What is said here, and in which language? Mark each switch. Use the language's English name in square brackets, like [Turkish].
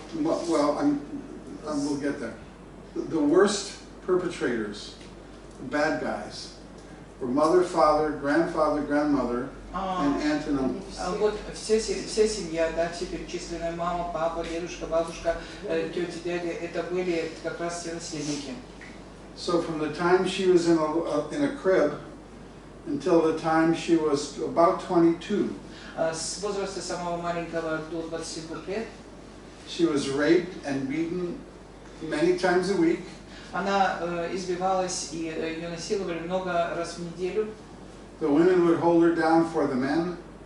[English] We'll get there. The worst perpetrators, the bad guys. For mother, father, grandfather, grandmother, and aunt and uncle. [Russian] Вот вся семья, да, все перечисленные, мама, папа, дедушка, бабушка, тети, дяди, это были как раз все наследники. [English] So from the time she was in a crib until the time she was about 22. [Russian] С возраста самого маленького до 22 лет. [English] She was raped and beaten many times a week. [Russian] Она избивалась, и ее насиловали много раз в неделю. [English] The women would hold her down for the men.